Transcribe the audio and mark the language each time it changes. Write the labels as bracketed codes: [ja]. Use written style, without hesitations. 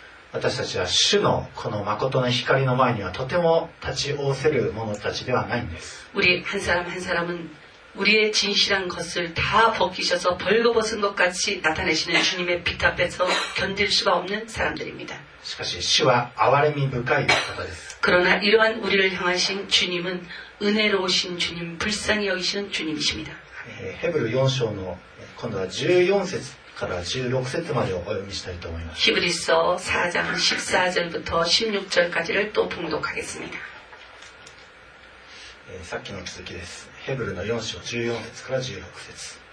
[ja] 私たちは主のこの誠の光の前にはとても立ち往せる者たちではないんです。 [ko] 우리한사람한사람은우리의진실한것을다벗기셔서벌거벗은것같이나타내시는주님의빛앞에서견딜수가없는사람들입니다。 [ja] しかし主は憐れみ深い方です。 [ko] 그러나이러한우리를향하신주님은은혜로우신주님불쌍히여기시는주님이십니다 헤브르4장의 [ja] 今度は14節から16節までをお読みしたいと思います [ko] 。히브리서4장14절부터16절까지를또봉독하겠습니다 [ja] さっきの続きです。ヘブルの4章14節から16節。